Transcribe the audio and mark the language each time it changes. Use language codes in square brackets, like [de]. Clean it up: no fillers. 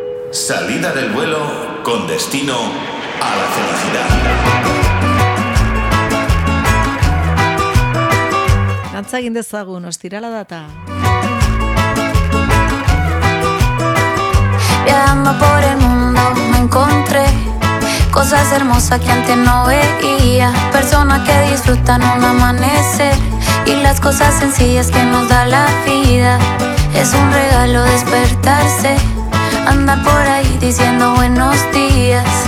[es] Salida del vuelo con destino a la felicidad. [eu] Dantza egin dezagun, ostirala data. [es] Viajando por el mundo me encontré cosas hermosas que antes no veía. Personas que disfrutan un amanecer y las cosas sencillas que nos da la vida. Es un regalo despertarse, andar por ahí diciendo buenos días.